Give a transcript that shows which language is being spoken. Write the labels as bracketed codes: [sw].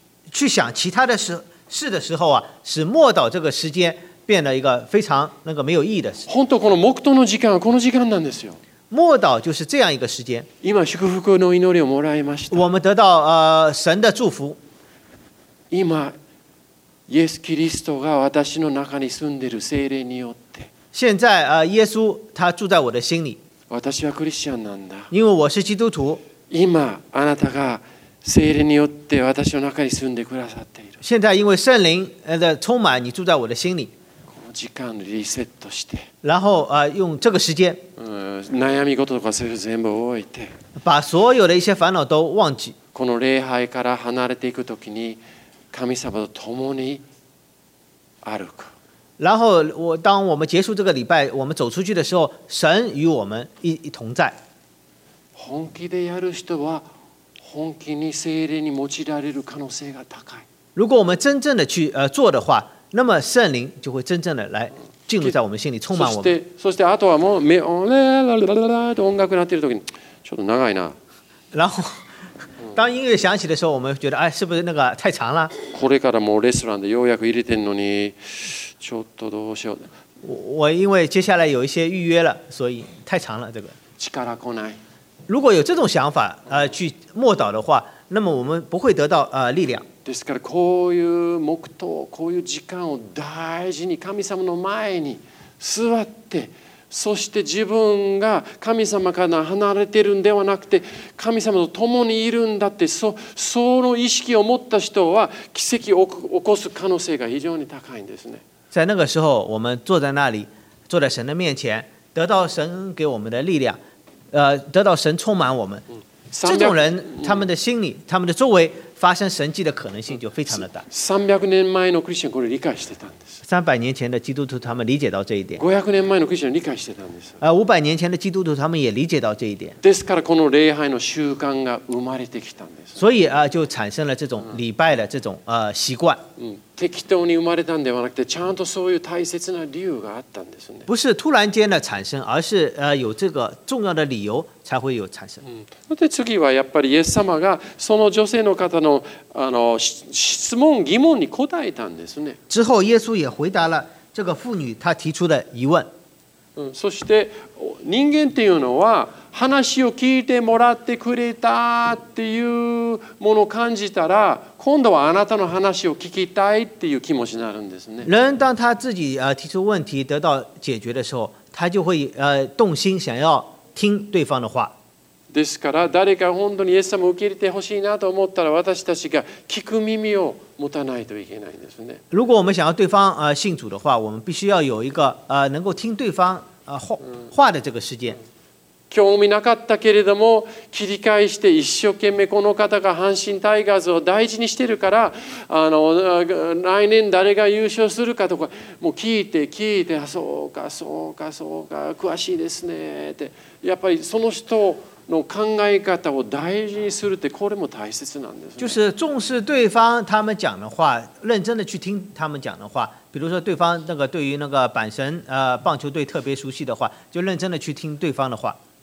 [zh] 去想其他的事的时候使默祷这个时间变得一个非常那个没有意义的事。 [ja] 本当この黙祷の時間はこの時間なんですよ。 [zh] 默祷就是这样一个时间。 [ja] 今祝福の祈りをもらいました。 [zh] 我们得到神的祝福。 [ja] 今イエス・キリストが私の中に住んでる聖霊によって、 [zh] 现在耶稣他住在我的心里。 [ja] 私はクリスチャンなんだ。 [zh] 因为我是基督徒。 [ja] 今あなたが聖霊によって私の中に住んでくださっている。 [zh] 现在因为圣灵的充满，你住在我的心里。 [ja] この時間リセットして。 [zh] 然后用这个时间。 [ja] 悩み事とかそれ全部置いて。 [zh] 把所有的一些烦恼都忘记。 [ja] この礼拝から離れていくときに神様と共に歩く。 [zh] 然后当我们结束这个礼拜，我们走出去的时候，神与我们一同在。 [ja] 本気でやる人は本気に聖霊に用いられる可能性が高い。 [zh] 如果我们真正的去做的话，那么圣灵就会真正的来进入在我们心里，充满我们。 [ja] そしてあとはもうめおれらららららと音楽鳴ってる時にちょっと長いな。 [zh] 然后当音乐响起的时候我们觉得哎，是不是那个太长了， [ja] これからもうレストランでようやく入れてんのにちょっとどうしよう。 [zh] 我因为接下来有一些预约了，所以太长了，这个 [ja] 力来ない。 [zh] 如果有这种想法去默祷的话，那么我们不会得到力量。 [ja] ですからこういう黙祷、こういう時間を大事に神様の前に座って、そして自分が神様から離れてるんではなくて、神様と共にいるんだって、その意識を持った人は奇跡を起こす可能性が非常に高いんですね。 [zh] 在那个时候，我们坐在那里，坐在神的面前，得到神给我们的力量，得到神充满我们。这种人，他们的心里，他们的周围发生神迹的可能性就非常的大。 [ja] 300年前のクリスチャンこれ理解してたんです。 [zh] 300年前的基督徒他们理解到这一点。 [ja] 500年前のクリスチャン理解してたんです。 [zh] 500年前的基督徒他们也理解到这一点。 [ja] ですからこの礼拝の習慣が生まれてきたんです。 [zh] 所以就产生了这种礼拜的这种习惯。 [ja] 適当に生まれたんではなくて、ちゃんとそういう大切な理由があったんですね。 [zh] 不是突然间的产生，而是有这个重要的理由才会有产生。 [ja] で次はやっぱりイエス様がその女性の方の質問疑問に答えたんですね。 [zh] 之后耶稣也回答了这个妇女她提出的疑问。 [ja] そして人間っていうのは話を聞いてもらってくれたっていうものを感じたら、今度はあなたの話を聞きたいっていう気持ちになるんですね。 [zh] 人当他自己提出问题得到解决的时候，他就会动心想要听对方的话。 [ja] ですから誰か本当にイエス様を受け入れてほしいなと思ったら、私たちが聞く耳を持たないといけないんですね。 [zh] 如果我们想要对方信主的话，我们必须要有一个能够听对方话的这个时间。 [ja] 興味なかったけれども切り返して、一生懸命この方が阪神タイガースを大事にしてるから、来年誰が優勝するかとか、もう聞いて、そうかそうかそうか、詳しいですねって、やっぱりその人の考え方を大事にするって、これも大切なんですね。 [zh] 就是重视对方他们讲的话，认真的去听他们讲的话。比如说对方那个对于那个阪神棒球队特别熟悉的话，就认真的去听对方的话。